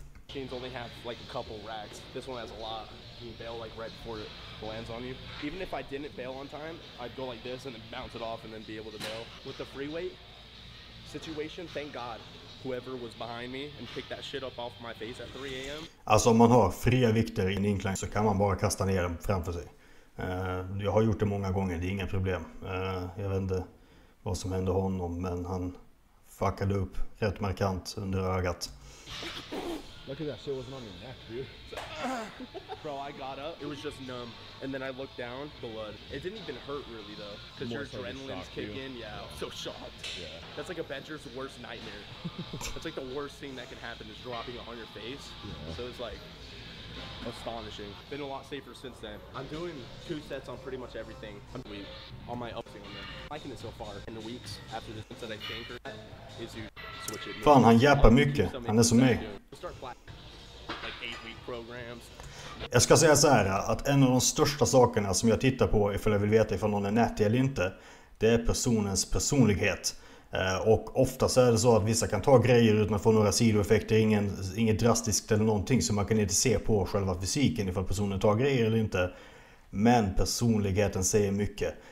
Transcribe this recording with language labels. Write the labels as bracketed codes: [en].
[en] Kane's only have like a couple racks. This one has a lot. You bail like right before it lands on you. Even if I didn't bail on time, I'd go like this and then bounce it off and then be able to bail. With the free weight situation, thank God whoever was behind me and picked that shit up off my face at 3 a.m. [sv] Alltså om man har fria vikter i en incline så kan man bara kasta ner dem framför sig. Jag har gjort det många gånger, det är inga problem. Jag vet inte vad som hände honom, men han fuckade upp rätt markant under ögat. [en] Look at that shit, wasn't on your neck, dude. Bro, I got up, it was just numb. And then I looked down, blood. It didn't even hurt really though, because your adrenaline's kicking. Yeah, I'm so shocked. Yeah. That's like a bencher's worst nightmare. That's like the worst thing that can happen is dropping it on your face. Yeah. So it's like astonishing. Been a lot safer since then. I'm doing 2 sets on pretty much everything. On my upswing, I'm liking it so far. In the weeks after this set, I think is you switch it. [sv] Fan, han jappar mycket. Han är som mig. [en] Like 8-week programs. [sv] Jag ska säga så här, att en av de största sakerna som jag tittar på ifall jag vill veta ifall någon är netty eller inte, det är personens personlighet. Och ofta så är det så att vissa kan ta grejer utan att få några sidoeffekter, inget drastiskt eller någonting, så man kan inte se på själva fysiken ifall personen tar grejer eller inte. Men personligheten säger mycket.